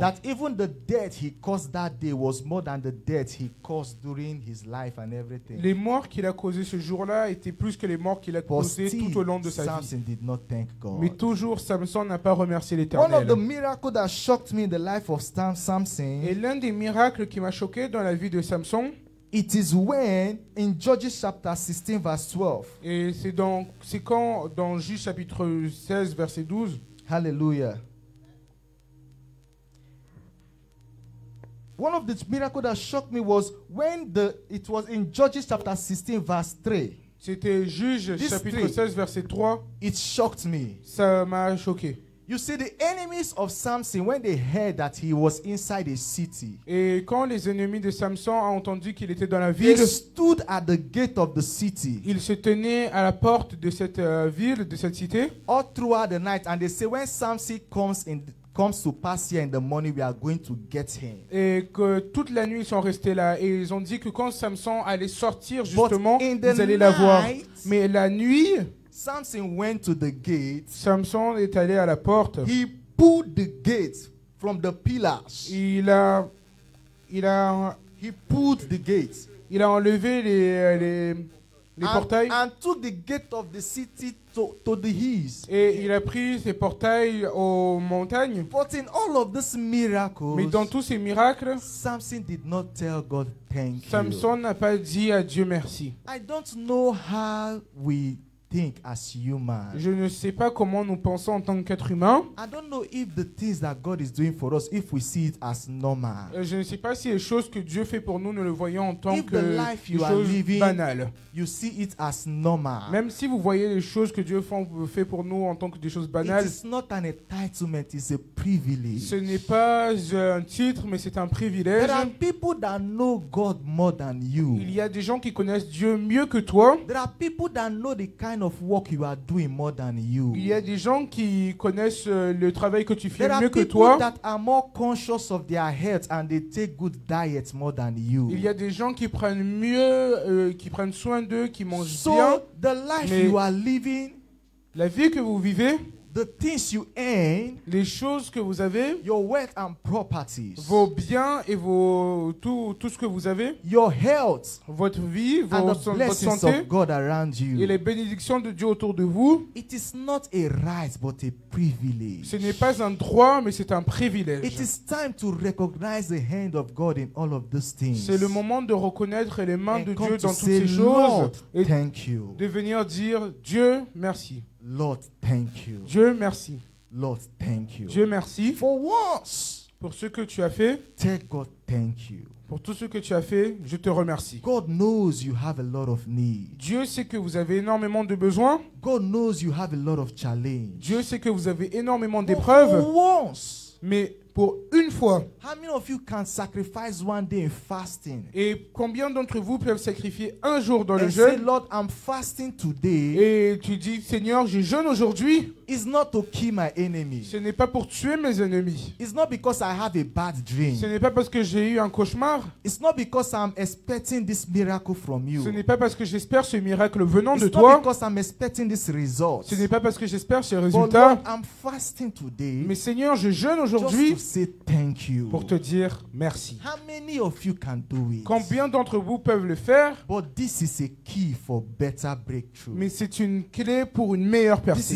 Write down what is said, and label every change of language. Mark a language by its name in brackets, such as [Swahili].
[English] That even the death he caused that day was more than the death he caused during his life and everything. [French] Les morts qu'il a causées ce jour-là étaient plus que les morts qu'il a causées. Tout au long de sa [English] Samson [French] vie. [English] Did not thank God. [French] Mais toujours, Samson n'a pas remercié l'Éternel. [English] One of the miracles that shocked me in the life of Samson. [French] Et l'un des miracles qui m'a choqué dans la vie de Samson. [English] It is when in Judges chapter 16 verse 12. [French] Et c'est quand dans Juges chapitre 16 verset 12. Hallelujah. [English] One of the miracles that shocked me was when it was in Judges chapter 16 verse 3. [French] C'était Juges chapitre 16 verset 3. [English] It shocked me. [French] Ça m'a choqué. [English] You see, the enemies of Samson, when they heard that he was inside a city, [French] et quand les ennemis de Samson ont entendu qu'il était dans la ville, [English] they stood at the gate of the city. [French] Ils se tenaient à la porte de cette ville, de cette cité. [English] All throughout the night, and they say, when Samson comes to pass here in the morning, we are going to get him. [French] Et que toute la nuit ils sont restés là et ils ont dit que quand Samson allait sortir justement, ils allaient la voir. Mais la nuit, [English] Samson went to the gate. [French] Samson est allé à la porte. [English] He pulled the gate from the pillars. He pulled the gate. [French] Il a enlevé les portails. [English] And took the gate of the city to the hills. [French] Et il a pris ses portails aux montagnes. [English] But in all of this miracles, [French] mais dans tous ces miracles, [English] Samson did not tell God thank you. [French] Samson n'a pas dit à Dieu merci. [English] I don't know how we think as human. [French] Je ne sais pas comment nous pensons en tant qu'être humain. [English] I don't know if the things that God is doing for us, if we see it as normal. [French] Je ne sais pas si les choses que Dieu fait pour nous, nous le voyons en tant que choses banales. [English] You see it as normal. [French] Même si vous voyez les choses que Dieu fait pour nous en tant que des choses banales. [English] It is not an entitlement, it's a privilege. [French] Ce n'est pas un titre, mais c'est un privilège. [English] There are people that know God more than you. [French] Il y a des gens qui connaissent Dieu mieux que toi. [English] There are people that know the kind of work you are doing more than you. [French] Il y a des gens qui connaissent le travail que tu fais [English] there [French] mieux que toi. [English] There are people that are more conscious of their health and they take good diet more than you. [French] Il y a des gens qui prennent mieux, qui prennent soin d'eux, qui mangent [English] so [French] bien. [English] So the life [French] mais [English] you are living, [French] la vie que vous vivez, [English] the things you earn, [French] les choses que vous avez, [English] your wealth and properties, [French] vos biens et tout ce que vous avez, [English] your health, [French] votre vie, votre santé, [English] of God around you, [French] et les bénédictions de Dieu autour de vous, [English] it is not a right but a privilege. [French] Ce n'est pas un droit mais c'est un privilège. [English] It is time to recognize the hand of God in all of these things. [French] C'est le moment de reconnaître les mains [English] and [French] de Dieu dans toutes [English] say, [French] ces choses [English] et thank you. [French] De venir dire Dieu merci. [English] Lord, thank you. [French] Dieu merci. [English] Lord, thank you. [French] Dieu merci. [English] For once. [French] Pour ce que tu as fait, [English] tell God thank you. [French] Pour tout ce que tu as fait, je te remercie. [English] God knows you have a lot of need. [French] Dieu sait que vous avez énormément de besoins. [English] God knows you have a lot of challenge. [French] Dieu sait que vous avez énormément d'épreuves. [English] Once. [French] Mais pour une fois. [English] How many of you can sacrifice one day in fasting? [French] Et combien d'entre vous peuvent sacrifier un jour dans [English] and [French] le jeûne? [English] Say, Lord, I'm fasting today. [French] Et tu dis, Seigneur, je jeûne aujourd'hui. [English] It's not to kill my enemy. [French] Ce n'est pas pour tuer mes ennemis. [English] It's not because I have a bad dream. [French] Ce n'est pas parce que j'ai eu un cauchemar. [English] It's not because I'm expecting this miracle from you. [French] Ce n'est pas parce que j'espère ce miracle venant [English] it's [French] de toi. [English] It's not because I'm expecting this result. [French] Ce n'est pas parce que j'espère ce résultat. [English] But Lord, I'm fasting today. [French] Mais Seigneur, je jeûne aujourd'hui. [English] Just to say thank you. [French] Pour te dire merci. [English] How many of you can do it? [French] Combien d'entre vous peuvent le faire? [English] But this is a key for better breakthrough. [French] Mais c'est une clé pour une meilleure percée.